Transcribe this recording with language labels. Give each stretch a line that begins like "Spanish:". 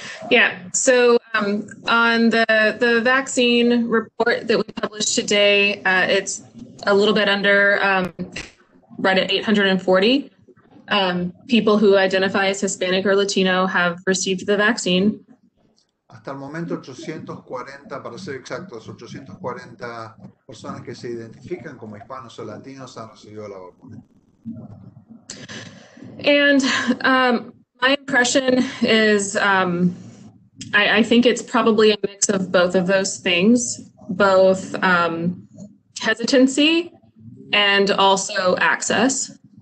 English: Yeah, so on the vaccine report that we published today, it's a little bit under, right at 840 people who identify as Hispanic or Latino have received the vaccine.
Spanish: Hasta el momento 840, para ser exactos, 840 personas que se identifican como hispanos o latinos han recibido la vacuna.
English: And my impression is, I think it's probably a mix of both of those things, both hesitancy and also access.